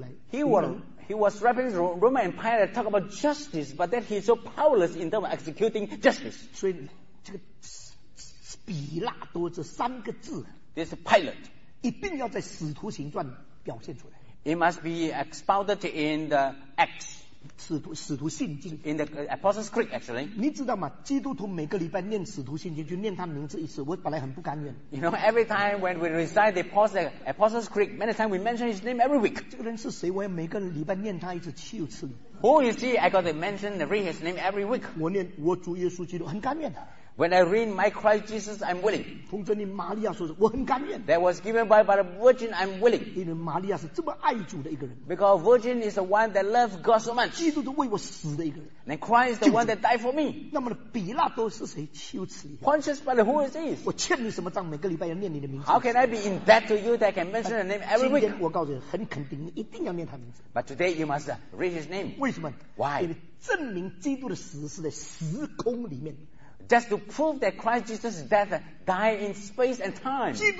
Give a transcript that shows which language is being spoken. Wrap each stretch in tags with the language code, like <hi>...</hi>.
<en>He was rapping Roman Empire to talk about justice, but then he's so powerless in terms of executing justice.</en> <zh>所以这个 比拉多这三个字</zh> <en>This pilot</en> <zh>一定要在使徒行传表现出来</zh> <en>It must be expounded in the Acts</en> <zh>使徒信经</zh> <en>In the Apostles' Creed actually</en> <zh>你知道吗 基督徒每个礼拜念使徒信经 就念他名字一次 我本来很不甘愿</zh> <en>You know every time when we recite the Apostles' Creed many times we mention his name every week</en> <zh>这个人是谁 我要每个礼拜念他一次 七次</zh> <en>Who is he? I got to mention and read his name every week</en> <zh>我念我主耶稣基督 很甘愿的</zh> <en>When I read my Christ Jesus, I'm willing.</en> <zh>同着你玛利亚说，我很甘愿。</zh> <en>That was given by the Virgin, I'm willing.</en> <zh>因为玛利亚是这么爱主的一个人。</zh> <en>Because Virgin is the one that loves God so much.</en> <zh>基督都为我死的一个人。</zh> <en>And Christ is the one that died for me.</en> <zh>那么比拉多是谁？羞耻。</zh> <en>Pontius Pilate, who is this?</en> <zh>我欠你什么账？每个礼拜要念你的名字。</zh> <en>How can I be in debt to you that I can mention the name every week?</en> <zh>今天我告诉你，很肯定，你一定要念他名字。</zh> <en>But today you must read his name.</en> <zh>为什么？</zh> <en>Why?</en> <zh>因为证明基督的死是在时空里面。</zh> <en>Just to prove that Christ Jesus' death died in space and time.</en>